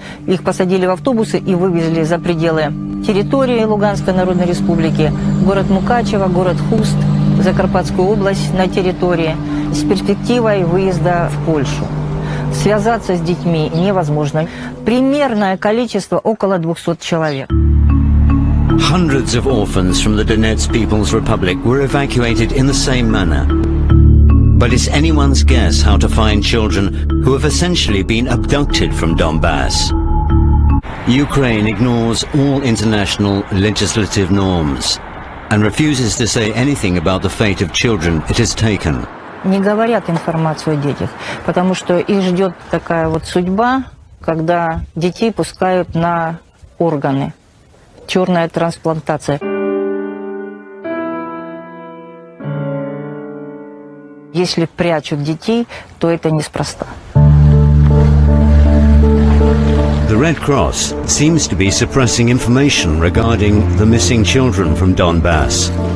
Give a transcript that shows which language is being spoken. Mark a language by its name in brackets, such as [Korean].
[Russian] Их посадили в автобусы и вывезли за пределы территории Луганской Народной Республики, город Мукачево, город Хуст, Закарпатскую область на территории с перспективой выезда в Польшу. Связаться с детьми невозможно. Примерное количество около 200 человек. [English] Hundreds of orphans from the Donetsk People's Republic were evacuated in the same manner. But it's anyone's guess how to find children who have essentially been abducted from Donbass. Ukraine ignores all international legislative norms and refuses to say anything about the fate of children it has taken. [Russian] Не говорят информацию о детях, потому что их ждет такая вот судьба, когда детей пускают на органы. Черная трансплантация. Если прячут детей, то это неспроста. [English] The Red Cross seems to be suppressing information regarding the missing children from Donbass.